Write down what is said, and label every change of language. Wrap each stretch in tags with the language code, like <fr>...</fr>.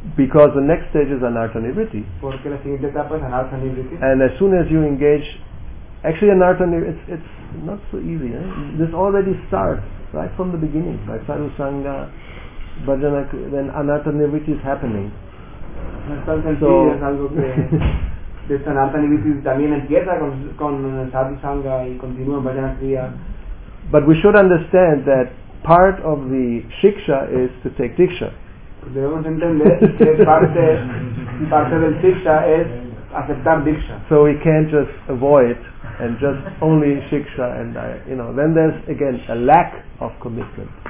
<en>Because the next stage is Anartha Nivritti.</en> <es>Porque la siguiente etapa es Anartha Nivritti.</es> <en>And as soon as you engage, actually Anartha Nivritti, it's not so easy. Eh? This already starts right from the beginning by Saru Sangha, Bhajana, when Anartha Nivritti is happening. So,</en> <es>Anartha Nivritti también empieza con Saru Sangha y continúa en Bhajana Kriya.</es> <en>But we should understand that part of the Shiksha is to take Diksha.</en> <es>Debemos entender que parte del Shiksha es aceptar Diksha.</es> <en>So we can't just avoid and just only Shiksha, and you know, then there's again a lack of commitment.</en>